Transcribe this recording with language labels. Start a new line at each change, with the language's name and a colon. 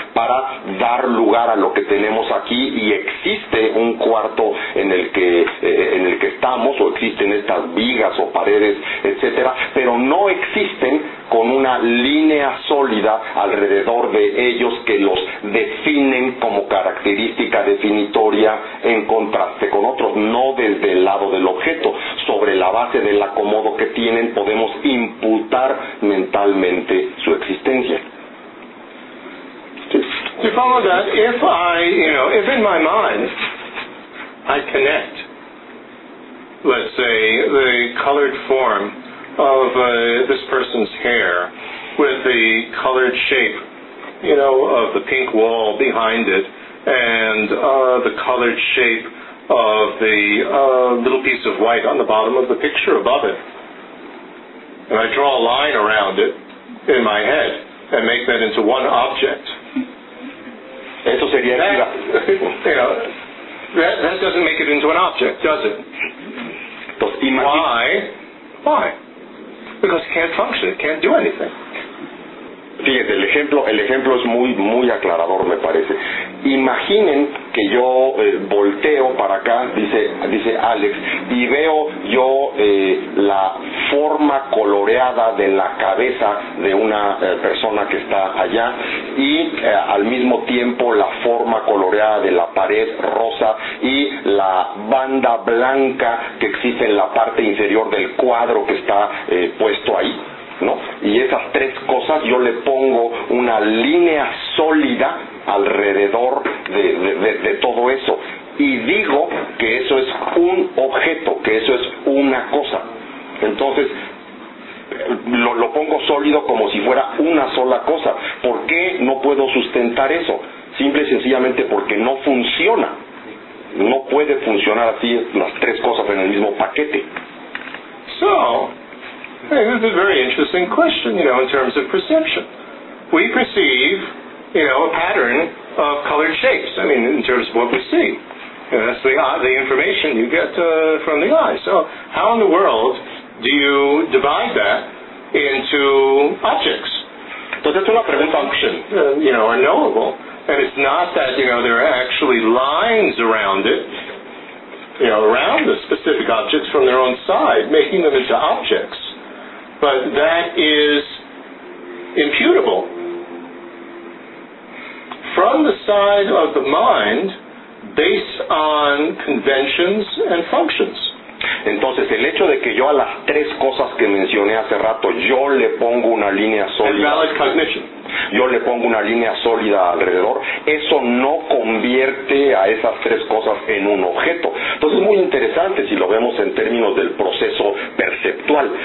Spanish: Para dar lugar a lo que tenemos aquí, y existe un cuarto en el que estamos, o existen estas vigas o paredes, etcétera, pero no existen con una línea sólida alrededor de ellos que los definen como característica definitoria en contraste con otros, no desde el lado del objeto. Sobre la base del acomodo que tienen, podemos imputar mentalmente su existencia.
English: To follow that, if I, you know, if in my mind I connect, let's say, the colored form of this person's hair with the colored shape, you know, of the pink wall behind it, and the colored shape of the little piece of white on the bottom of the picture above it, and I draw a line around it in my head and make that into one object.
Spanish: Eso sería
English: that, you know, that doesn't make it into an object, does it? Why? Because it can't function, it can't do anything.
Spanish: Fíjense, el ejemplo es muy, muy aclarador, me parece. Imaginen que yo volteo para acá, dice Alex, y veo yo la forma coloreada de la cabeza de una persona que está allá, y al mismo tiempo la forma coloreada de la pared rosa y la banda blanca que existe en la parte inferior del cuadro que está puesto ahí, ¿no? Y esas tres cosas yo le pongo una línea sólida alrededor de todo eso y digo que eso es un objeto, que eso es una cosa. Entonces lo pongo sólido como si fuera una sola cosa. ¿Por qué no puedo sustentar eso? Simple y sencillamente porque no funciona. No puede funcionar así las tres cosas en el mismo paquete.
English: So, hey, this is a very interesting question, you know, in terms of perception. We perceive, you know, a pattern of colored shapes, I mean, in terms of what we see. And that's the information you get from the eye. So how in the world do you divide that into objects?
Spanish: Entonces, una pregunta.
English: Function, you know, are knowable. And it's not that, you know, there are actually lines around it, you know, around the specific objects from their own side, making them into objects. But that is imputable. From the side of the mind, based on conventions and functions.
Spanish: Entonces, el hecho de que yo a las tres cosas que mencioné hace rato, yo le pongo una línea sólida.
English: And valid cognition.
Spanish: Yo le pongo una línea sólida alrededor, eso no convierte a esas tres cosas en un objeto. Entonces es muy interesante si lo vemos en términos del proceso perceptual.